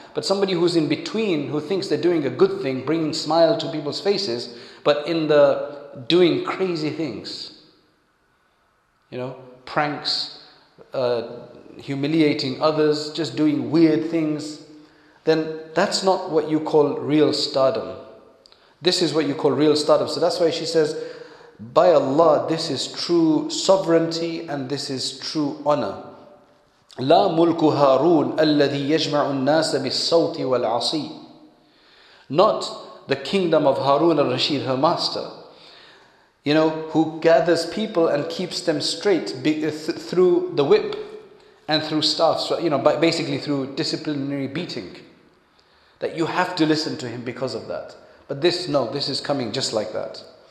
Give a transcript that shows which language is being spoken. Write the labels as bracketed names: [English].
[English] But somebody who's in between, who thinks they're doing a good thing, bringing smile to people's faces, but in the doing crazy things, you know, pranks, humiliating others, just doing weird things, then that's not what you call real stardom. This is what you call real stardom. So that's why she says, by Allah, this is true sovereignty and this is true honor. [Arabic] لا ملك هارون الذي يجمع الناس بالصوت والعصي. [English] Not the kingdom of Harun al-Rashid, her master, you know, who gathers people and keeps them straight through the whip and through staff, so, you know, basically through disciplinary beating. That you have to listen to him because of that. But this, no, this is coming just like that.